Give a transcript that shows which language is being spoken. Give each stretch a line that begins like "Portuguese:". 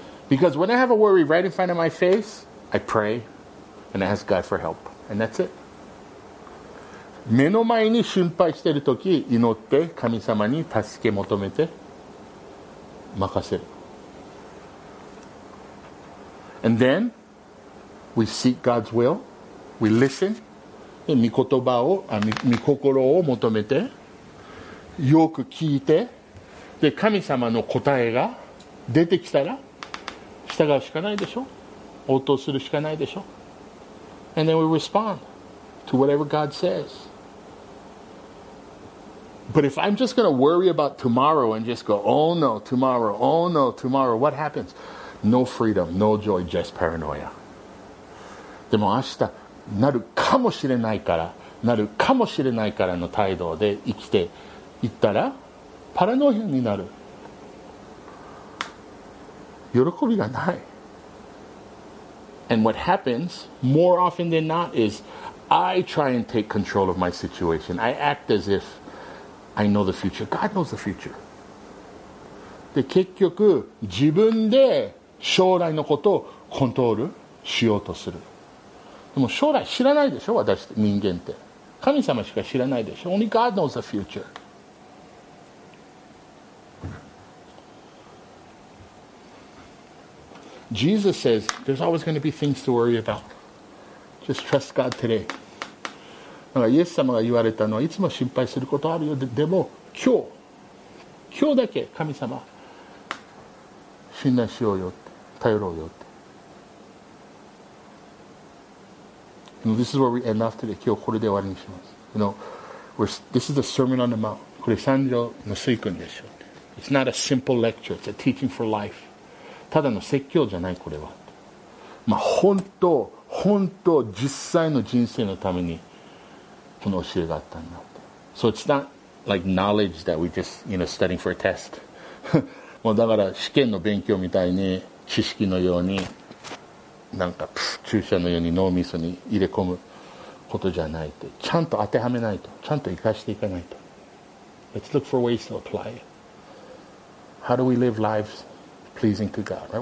English: Because when I have a worry right in front of my face, I pray and ask God for help. And that's it.
Japanese: 目の前に心配してるとき、祈って神様に助け求めて任せる。
English: And then we seek God's will. We listen.
Japanese: 御心を求めてよく聞いて、で神様の答えが出てきたら従うしかないでしょ、応答するしかないでしょ。
English: And then we respond to whatever God says. But if I'm just going to worry about tomorrow and just go, oh no, tomorrow, oh no, tomorrow, what happens? No freedom, no joy, just paranoia.
Japanese: でも明日なるかもしれないから、なるかもしれないからの態度で生きていったらパラノイアになる。喜びがない。
English: And what happens more often than not is I try and take control of my situation. I act as if I know the future. God knows the future.
Japanese: で結局自分で将来のことをコントロールしようとする。でも将来知らないでしょ、私人間って。神様しか知らないでしょ。
English: Only God knows the future. Jesus says there's always going to be things to worry about. Just trust God today.
Japanese: だからイエス様が言われたのは、いつも心配することあるよ、 でも今日だけ神様信頼しようよって、頼ろうよって。
English: And this is where we end off today.
Japanese: 今日これで終わりにします。
English: You know, this is the Sermon on the Mount.
Japanese: これ山上の水訓でしょ。
English: It's not a simple lecture. It's a teaching for life.
Japanese: ただの説教じゃないこれは、まあ、本当実際の人生のためにこの教えがあったんだって。
English: So it's not like knowledge that we just, you know, studying for a test.
Japanese: もうだから試験の勉強みたいに知識のように、なんか注射のように脳みそに入れ込むことじゃないと、ちゃんと当てはめないと、ちゃんと生かしていかないと。
English: Let's look for ways to apply it. How do we live lives pleasing to God, right?